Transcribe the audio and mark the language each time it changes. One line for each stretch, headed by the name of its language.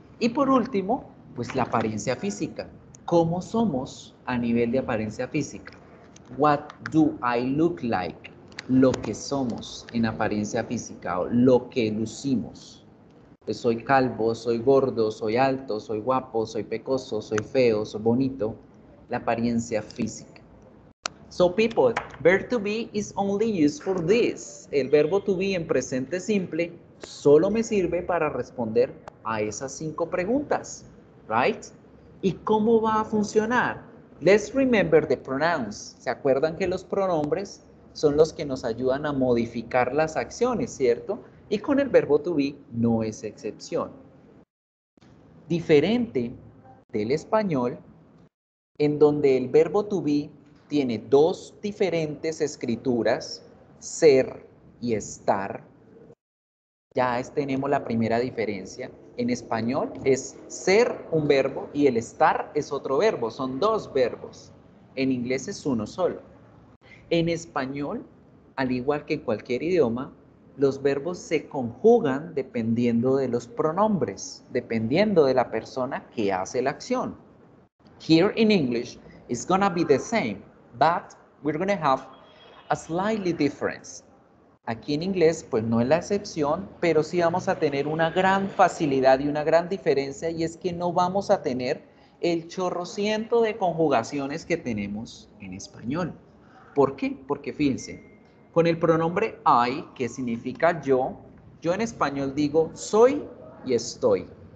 Spanish: Y por último, pues la apariencia física. ¿Cómo somos a nivel de apariencia física?
English: What do I look like?
Spanish: Lo que somos en apariencia física o lo que lucimos. Pues soy calvo, soy gordo, soy alto, soy guapo, soy pecoso, soy feo, soy bonito. La apariencia física.
English: So people, verb to be is only used for this.
Spanish: El verbo to be en presente simple solo me sirve para responder a esas cinco preguntas, right? ¿Y cómo va a funcionar?
English: Let's remember the pronouns.
Spanish: ¿Se acuerdan que los pronombres son los que nos ayudan a modificar las acciones, cierto? Y con el verbo to be no es excepción. Diferente del español, en donde el verbo to be tiene dos diferentes escrituras, ser y estar. Ya tenemos la primera diferencia. En español es ser un verbo y el estar es otro verbo. Son dos verbos. En inglés es uno solo. En español, al igual que en cualquier idioma, los verbos se conjugan dependiendo de los pronombres, dependiendo de la persona que hace la acción.
English: Here in English, it's gonna be the same, but we're gonna have a slightly difference.
Spanish: Aquí en inglés, pues no es la excepción, pero sí vamos a tener una gran facilidad y una gran diferencia, y es que no vamos a tener el chorrociento de conjugaciones que tenemos en español. ¿Por qué? Porque fíjense, con el pronombre I, que significa yo, yo en español digo soy y estoy.